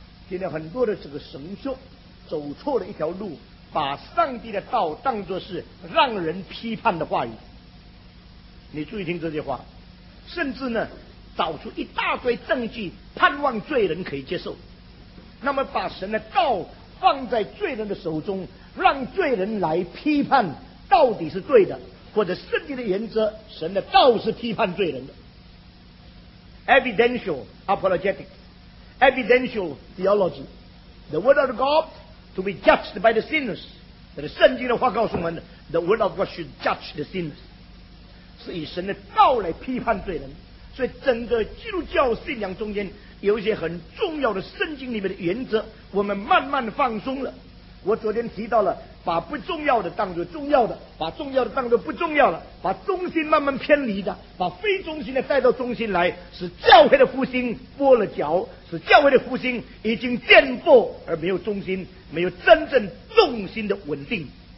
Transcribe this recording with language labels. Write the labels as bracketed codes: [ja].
[zh] 今天很多的这个神学走错了一条路，把上帝的道当作是让人批判的话语，你注意听这句话，甚至呢找出一大堆证据盼望罪人可以接受，那么把神的道放在罪人的手中，让罪人来批判到底是对的，或者圣经的原则神的道是批判罪人的。 [en] Evidential apologetic Evidential theology The word of GodTo be judged by the sinners. [zh] 但是圣经的话告诉我们 [en] The word of God should judge the sinners. [zh] 是以神的道来批判罪人。所以整个基督教信仰中间有一些很重要的圣经里面的原则，我们慢慢放松了。我昨天提到了，把不重要的当作重要的，把重要的当作不重要的，把中心慢慢偏离的，把非中心的带到中心来，使教会的复兴跛了脚，使教会的复兴已经颠簸而没有中心，没有真正重心的稳定。